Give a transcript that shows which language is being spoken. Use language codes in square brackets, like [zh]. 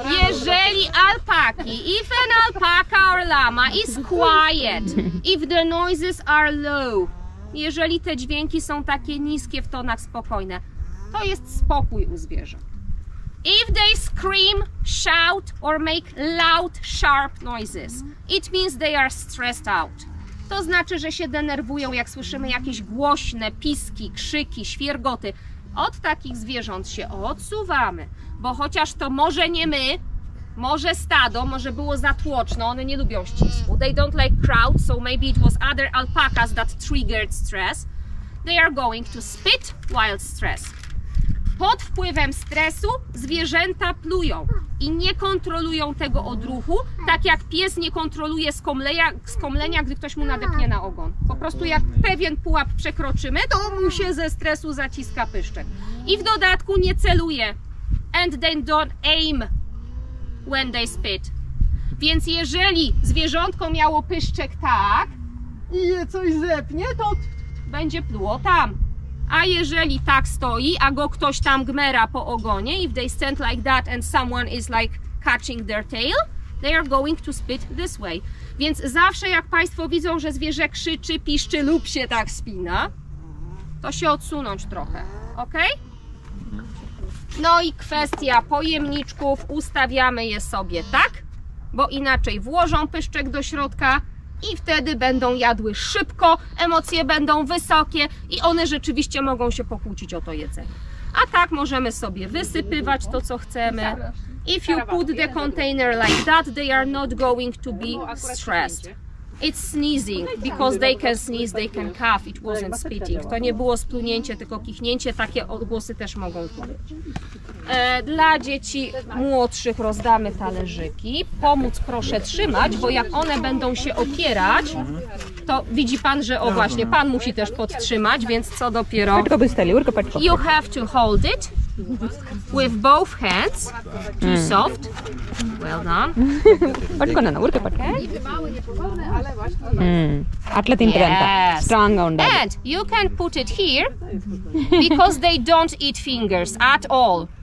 [pl] Jeżeli alpaki, [en] if an alpaka or llama is quiet, if the noises are low, [pl] jeżeli te dźwięki są takie niskie w tonach spokojne, to jest spokój u zwierząt. [en] If they scream, shout or make loud, sharp noises, it means they are stressed out. [pl] To znaczy, że się denerwują, jak słyszymy jakieś głośne piski, krzyki, świergoty. Od takich zwierząt się odsuwamy, bo chociaż to może nie my, może stado, może było za tłoczno, one nie lubią ścisku. [en] They don't like crowds, so maybe it was other alpacas that triggered stress. They are going to spit while stressed. [pl] Pod wpływem stresu zwierzęta plują i nie kontrolują tego odruchu, tak jak pies nie kontroluje skomlenia, gdy ktoś mu nadepnie na ogon. Po prostu jak pewien pułap przekroczymy, to mu się ze stresu zaciska pyszczek. I w dodatku nie celuje. [en] And they don't aim when they spit. [pl] Więc jeżeli zwierzątko miało pyszczek tak i je coś zepnie, to będzie pluło tam. A jeżeli tak stoi, a go ktoś tam gmera po ogonie, [en] if they stand like that and someone is like catching their tail, they are going to spit this way. [pl] Więc zawsze jak Państwo widzą, że zwierzę krzyczy, piszczy lub się tak spina, to się odsunąć trochę, ok? No i kwestia pojemniczków, ustawiamy je sobie tak, bo inaczej włożą pyszczek do środka, i wtedy będą jadły szybko, emocje będą wysokie i one rzeczywiście mogą się pokłócić o to jedzenie. A tak możemy sobie wysypywać to, co chcemy. [en] If you put the container like that, they are not going to be stressed. It's sneezing, because they can sneeze, they can cough, it wasn't spitting. [pl] To nie było splunięcie, tylko kichnięcie, takie odgłosy też mogą być. Dla dzieci młodszych rozdamy talerzyki. Pomóc proszę trzymać, bo jak one będą się opierać, to widzi pan, że o właśnie, pan musi też podtrzymać, więc co dopiero... [en] You have to hold it with both hands, too soft. Well done. Patko na urkę, patko. Atlet in trenta. Strong on that. And you can put it here, because they don't eat fingers at all.